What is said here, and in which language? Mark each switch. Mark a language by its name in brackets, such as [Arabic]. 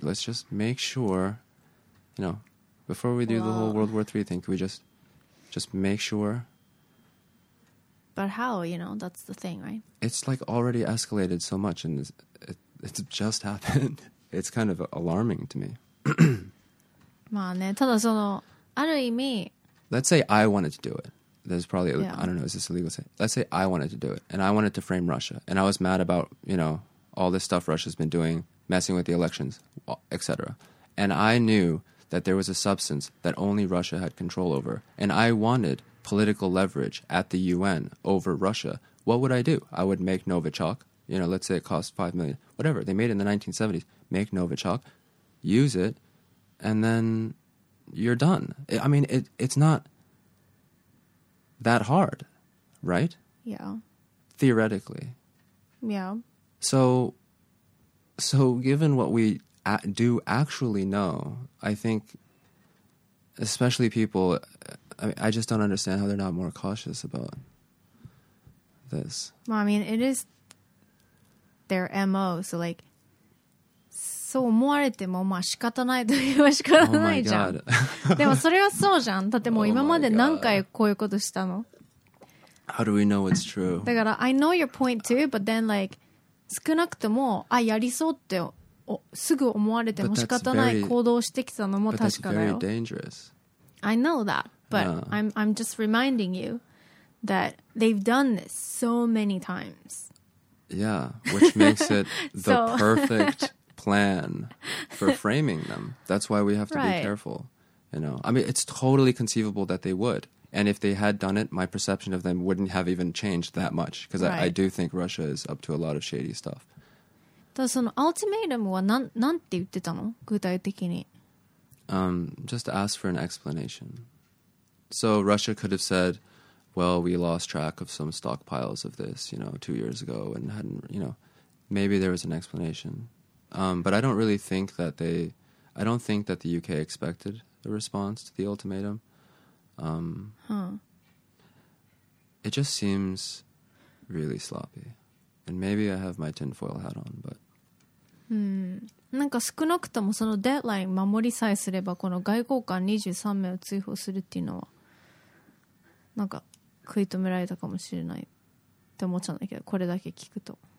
[English] Let's just make sure, you know, before we do well, the whole World War III thing, can we just make sure? But how, you know, that's the thing, right? It's like already escalated so much and it's just happened. It's kind of alarming to me. [Japanese] まあね、ただそのある意味 [English] Let's say I wanted to do it. There's probably, yeah. I don't know, is this illegal to say? Let's say I wanted to do it, and I wanted to frame Russia, and I was mad about, you know, all this stuff Russia's been doing, messing with the elections, etc. And I knew that there was a substance that only Russia had control over, and I wanted political leverage at the UN over Russia. What would I do? I would make Novichok, you know, let's say it cost $5 million, whatever. They made it in the 1970s. Make Novichok, use it, and then you're done. I mean, it's not... that hard, right? Yeah. Theoretically. Yeah. So given what we do actually know, I think especially people, I mean, I just don't understand how they're not more cautious about this. Well, I mean, it is their MO, so like [Japanese] そう思われてもまあ仕方ないと言えば仕方ないじゃん、oh、でもそれはそうじゃん。だってもう今まで何回こういうことしたの、 [English] oh、How do we know it's true? [Japanese] だから [English] I know your point too but then like [Japanese] 少なくともあやりそうってすぐ思われても仕方ない行動してきたのも確かだよ。 [English] But that's very dangerous. I know that but、yeah. I'm just reminding youThat they've done this so many times. Yeah, which makes it the perfect plan for framing them. That's why we have to、right. be careful. You know, I mean, it's totally conceivable that they would. And if they had done it, my perception of them wouldn't have even changed that much. Because、right. I do think Russia is up to a lot of shady stuff. [Japanese] だからそのアルティメイトムはなんて言ってたの？具体的に。 [English] Just ask for an explanation. So Russia could have said,Well, we lost track of some stockpiles of this, you know, 2 years ago and hadn't, you know, maybe there was an explanation.、but I don't really think that they, I don't think that the UK expected a response to the ultimatum.、it just seems really sloppy. And maybe I have my tinfoil hat on, but... [Japanese] なんか少なくともそのデッドライン守りさえすればこの外交官23名を追放するっていうのはなんか食い止められたかもしれないって思っちゃうんだけど、これだけ聞くと、